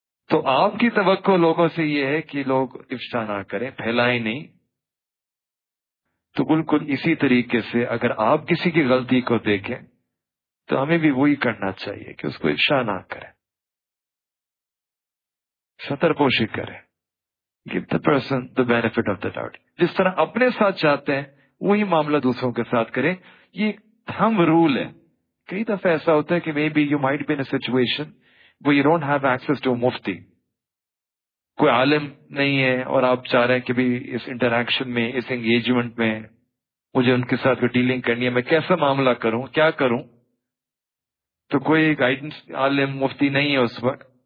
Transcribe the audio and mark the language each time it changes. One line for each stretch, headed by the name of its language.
Urdu: تو آپ کی توقع لوگوں سے یہ ہے کہ لوگ افشا نہ کریں، پھیلائیں نہیں. تو بالکل اسی طریقے سے اگر آپ کسی کی غلطی کو دیکھیں تو ہمیں بھی وہی کرنا چاہیے کہ اس کو افشا نہ کریں، ستر پوشی کریں.
English: Give the person the benefit of the doubt.
Urdu: جس طرح اپنے ساتھ چاہتے ہیں وہی معاملہ دوسروں کے ساتھ کریں. یہ تھمب رول ہے. کئی دفعہ ایسا ہوتا ہے کہ
English: May be you might be in a situation where you don't have access to a mufti.
Urdu: کوئی عالم نہیں ہے اور آپ چاہ رہے ہیں کہ اس انٹریکشن میں، اس انگیجمنٹ میں مجھے ان کے ساتھ ڈیلنگ کرنی ہے، میں کیسا معاملہ کروں، کیا کروں، تو کوئی گائیڈنس عالم مفتی نہیں ہے اس وقت.